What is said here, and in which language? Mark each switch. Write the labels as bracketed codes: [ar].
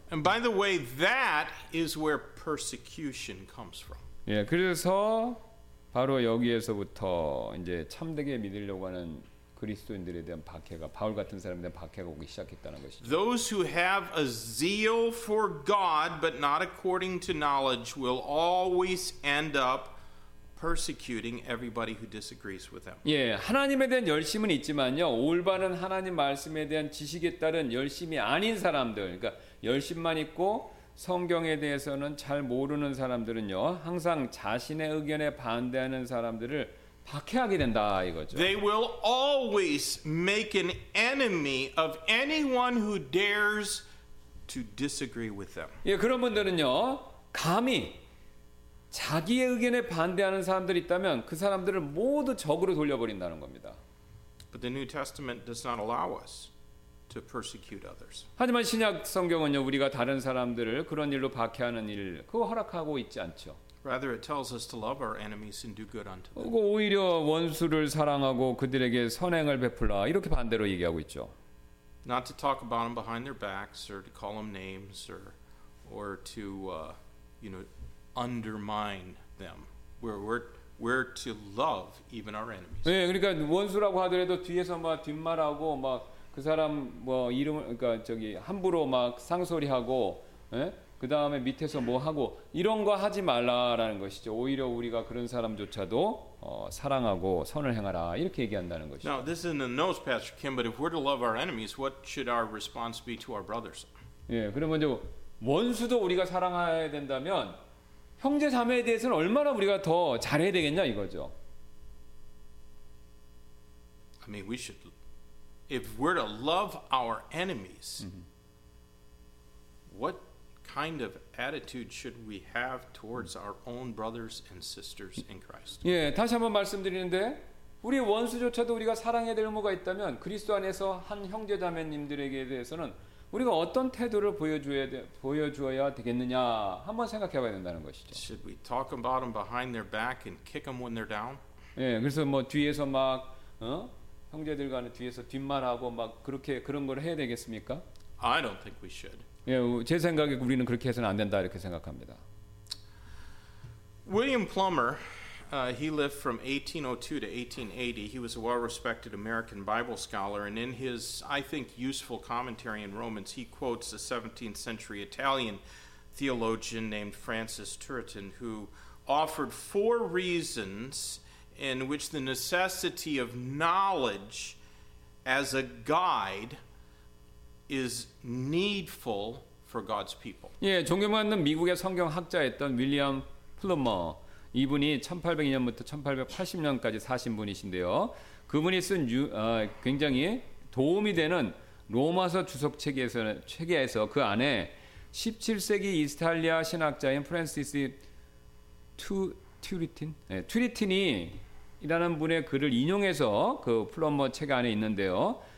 [en] And by the way, that is where persecution comes from. [ko] 예, 네, 그래서 바로 여기에서부터 이제 참되게 믿으려고 하는 그리스도인들에 대한 박해가 바울 같은 사람에 대한 박해가 오기 시작했다는 것이죠. [en] Those who have a zeal for God but not according to knowledge will always end up persecuting everybody who disagrees with them. [ko] 예, 하나님에 대한 열심은 있지만요. 올바른 하나님 말씀에 대한 지식에 따른 열심이 아닌 사람들, 그러니까 열심만 있고 성경에 대해서는 잘 모르는 사람들은요. 항상 자신의 의견에 반대하는 사람들을 박해하게 된다 이거죠. [en] They will always make an enemy of anyone who dares to disagree with them. [ko] 예, 그런 분들은요. 감히 자기의 의견에 반대하는 사람들이 있다면 그 사람들을 모두 적으로 돌려버린다는 겁니다. [en] But the New Testament does not allow us to persecute others. [ko] 하지만 신약 성경은요. 우리가 다른 사람들을 그런 일로 박해하는 일 그거 허락하고 있지 않죠. [en] Rather, it tells us to love our enemies and do good unto them. [ko] 오히려 원수를 사랑하고 그들에게 선행을 베풀라 이렇게 반대로 얘기하고 있죠. [en] Not to talk about them behind their backs or to call them names or to undermine them. We're to love even our enemies. [ko] 네, 그러니까 원수라고 하더라도 뒤에서 막 뒷말하고 막 그 사람 뭐 이름 그러니까 저기 함부로 막 상소리하고. 네? 그 다음에 밑에서 뭐 하고 이런 거 하지 말라라는 것이죠. 오히려 우리가 그런 사람조차도 사랑하고 선을 행하라 이렇게 얘기한다는 것이죠. [en] Now this is in the notes, Pastor Kim, but if we're to love our enemies, what should our response be to our brothers? [ko] 예, 그러면 이제 원수도 우리가 사랑해야 된다면 형제 자매에 대해서는 얼마나 우리가 더 잘해야 되겠냐 이거죠. [en] I mean, we should. If we're to love our enemies, what kind of attitude should we have towards our own brothers and sisters in Christ? [ko] 예, 다시 한번 말씀드리는데 우리 원수조차도 우리가 사랑해야 될 의무가 있다면 그리스도 안에서 한 형제자매님들에게 대해서는 우리가 어떤 태도를 보여주어야 되겠느냐 한번 생각해봐야 된다는 것이죠. [en] Should we talk about them behind their back and kick them when they're down? [ko] 예, 그래서 뭐 뒤에서 막 형제들 간에 뒤에서 뒷말하고 막 그렇게 그런 걸 해야 되겠습니까? [en] I don't think we should. [ko] 예, 제 생각에 우리는 그렇게 해서는 안 된다 이렇게 생각합니다. [en] William Plummer, he lived from 1802 to 1880. He was a well-respected American Bible scholar, and in his, I think, useful commentary in Romans, he quotes a 17th-century Italian theologian named Francis Turretin, who offered four reasons in which the necessity of knowledge as a guide is needful for God's people. [ko] 예, 종교 맞는 미국의 성경학자였던 윌리엄 플러머 이분이 1802년부터 1880년까지 사신 분이신데요. 그분이 쓴 굉장히 도움이 되는 로마서 주석 책에서 그 안에 17세기 이탈리아 신학자인 프란시스 튜리틴 예, 튜리틴이라는 분의 글을 인용해서 그 플러머 책 안에 있는데요.